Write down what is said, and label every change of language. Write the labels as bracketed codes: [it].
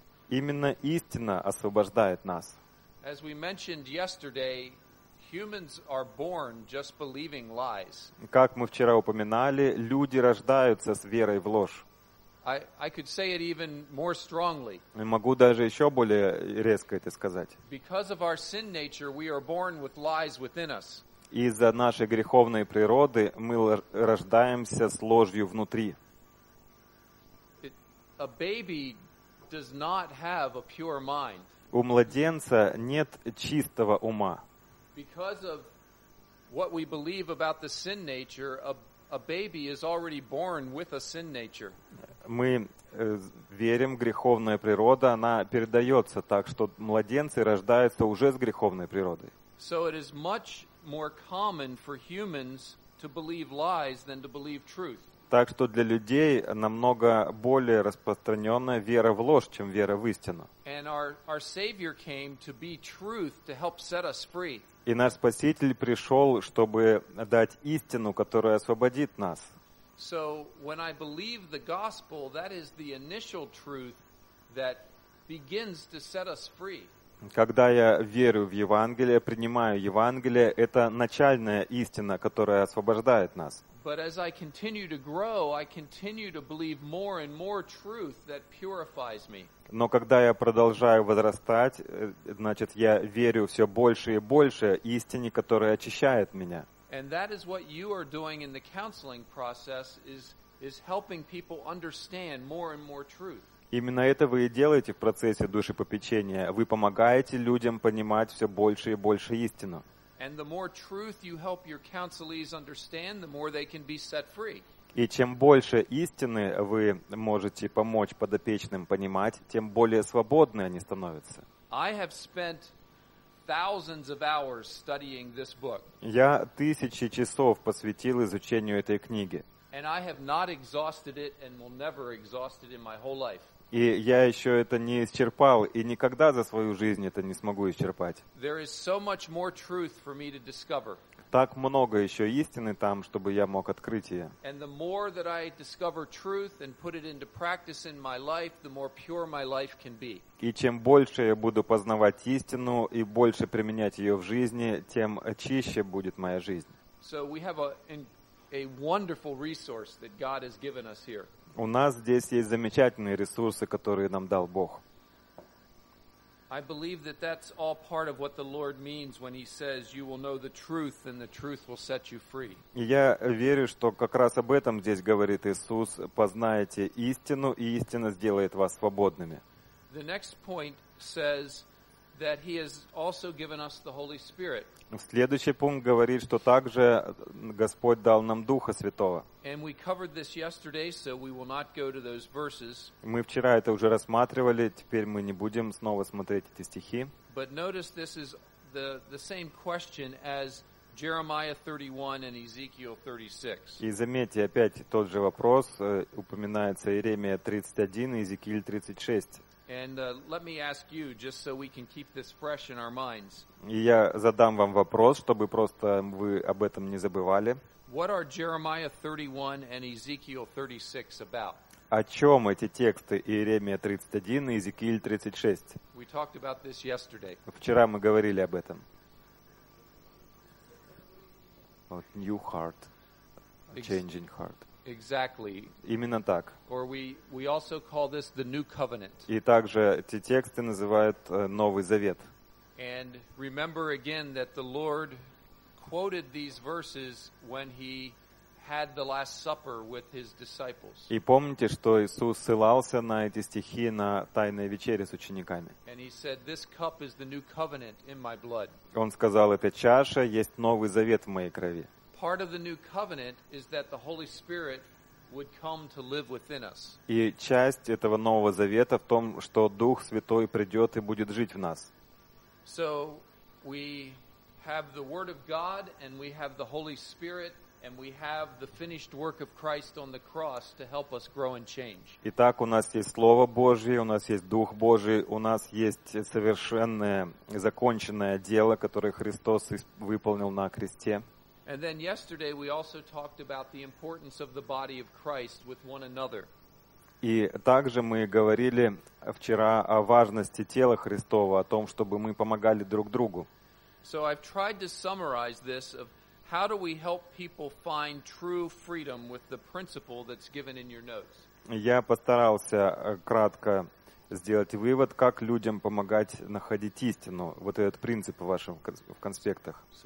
[ru] Именно истина освобождает нас. [en] As we mentioned yesterday, humans are born just believing lies. [ru] Как мы вчера упоминали, люди рождаются с верой в ложь. [en] I could say it even more strongly. [ru] Могу даже еще более резко это сказать. [en] Because of our sin nature, we are born with lies within us. [ru] Из-за нашей греховной природы мы рождаемся с ложью внутри. [en] A baby does not have a pure mind. [ru] У младенца нет чистого ума. [en] Because of what we believe about the sin nature, a baby is already born with a sin nature. [ru] Мы верим, греховная природа, она передается так, что младенцы рождаются уже с греховной природой. [en] So it is much more common for humans to believe lies than to believe truth. [ru] Так что для людей намного более распространена вера в ложь, чем вера в истину. [en] And our Savior came to be truth to help set us free. [ru] И наш Спаситель пришел, чтобы дать истину, которая освободит нас. [en] So when I believe the gospel, that is the initial truth that begins to set us free. [ru] Когда я верю в Евангелие, принимаю Евангелие, это начальная истина, которая освобождает нас. [en] But as I continue to grow, I continue to believe more and more truth that purifies me. [ru] Но когда я продолжаю возрастать, значит, я верю все больше и больше истине, которая очищает меня. [en] And that is what you are doing in the counseling process, is helping people understand more and more truth. [ru] Именно это вы и делаете в процессе душепопечения. Вы помогаете людям понимать все больше и больше истину. [en] And the more truth you help your counselees understand, the more they can be set free. [ru] И чем больше истины вы можете помочь подопечным понимать, тем более свободны они становятся. [en] I have spent thousands of hours studying this book. [ru] Я тысячи часов посвятил изучению этой книги. [en] And I have not exhausted it and will never exhaust it in my whole life. [ru] И я еще это не исчерпал, и никогда за свою жизнь это не смогу исчерпать. [en] There is so much more truth for me to discover. [ru] Так много еще истины там, чтобы я мог открыть ее. [en] And the more that I discover truth and put it into practice in my life, the more pure my life can be. [ru] И чем больше я буду познавать истину и больше применять ее в жизни, тем чище будет моя жизнь. [en] So we have a wonderful resource that God has given us here. [ru] У нас здесь есть замечательные ресурсы, которые нам дал Бог. [en] I believe that that's all part of what the Lord means when he says you will know the truth and the truth will set you free. [ru] Я верю, что как раз об этом здесь говорит Иисус: познаете истину, и истина сделает вас свободными. [en] The next point says that he has also given us the Holy Spirit. [ru] Следующий пункт говорит, что также Господь дал нам Духа Святого. [en] And we covered this yesterday, so we will not go to those verses. [ru] Мы вчера это уже рассматривали, теперь мы не будем снова смотреть эти стихи. [en] But notice this is the same question as Jeremiah 31 and Ezekiel 36. [ru] И заметьте, опять тот же вопрос, упоминается Иеремия 31 и Иезекииль 36. [en] And let me ask you, just so we can keep this fresh in our minds. [ru] И я задам вам вопрос, чтобы просто вы об этом не забывали. [en] What are Jeremiah 31 and Ezekiel 36 about? [ru] О чем эти тексты Иеремия 31 и Иезекииль 36? [en] We talked about this yesterday. [ru] Вчера мы говорили об этом. Вот, [en] new heart, changing heart. Exactly. [ru] Именно так. [en] Or we also call this the New Covenant. [ru] И также эти тексты называют Новый Завет. [en] And remember again that the Lord quoted these verses when he had the Last Supper with his disciples. [ru] И помните, что Иисус ссылался на эти стихи на Тайной вечере с учениками. [en] And he said, "This cup is the New Covenant in my blood." [ru] Он сказал: "Эта чаша есть Новый Завет в моей крови." [en] Part of the new covenant is that the Holy Spirit would come to live within us. [ru] И часть этого нового завета в том, что Дух Святой придет и будет жить в нас. [en] So we have the Word of God, and we have the Holy Spirit, and we have the finished work of Christ on the cross to help us grow and change. [ru] Итак, у нас есть Слово Божье, у нас есть Дух Божий, у нас есть совершенное, законченное дело, которое Христос выполнил на кресте. [en] And then yesterday we also talked about the importance of the body of Christ with one another. [ru] И также мы говорили вчера о важности тела Христова, о том, чтобы мы помогали друг другу. [en] So I've tried to summarize this of how do we help people find true freedom with the principle that's given in your notes. [ru] Я постарался кратко сделать вывод, как людям помогать находить истину, вот этот принцип вашим в конспектах.